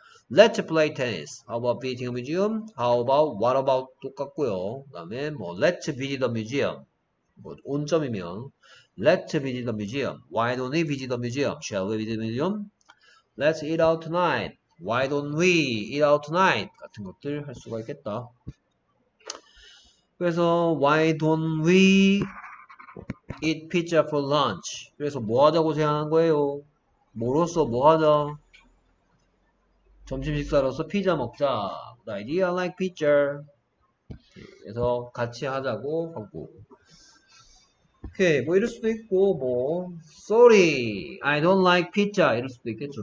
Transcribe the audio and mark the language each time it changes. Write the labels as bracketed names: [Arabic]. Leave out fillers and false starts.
[English] Let's play tennis. How about visiting a museum? How about, what about? [Korean] 똑같고요. 그다음에 뭐 [English] Let's visit a museum. [Korean] 뭐 온점이면 [English] Let's visit a museum. Why don't we visit a museum? Shall we visit a museum? Let's eat out tonight. Why don't we eat out tonight? [Korean] 같은 것들 할 수가 있겠다. [English] 그래서 Why don't we eat pizza for lunch? [Korean] 그래서 뭐 하자고 생각한 거예요? 뭐로써 뭐 하자? 점심 식사로서 피자 먹자. [English] Idea like pizza. [Korean] 그래서 같이 하자고 하고. 오케이, 뭐 이럴 수도 있고, 뭐 [English] Sorry, I don't like pizza [Korean] 이럴 수도 있겠죠.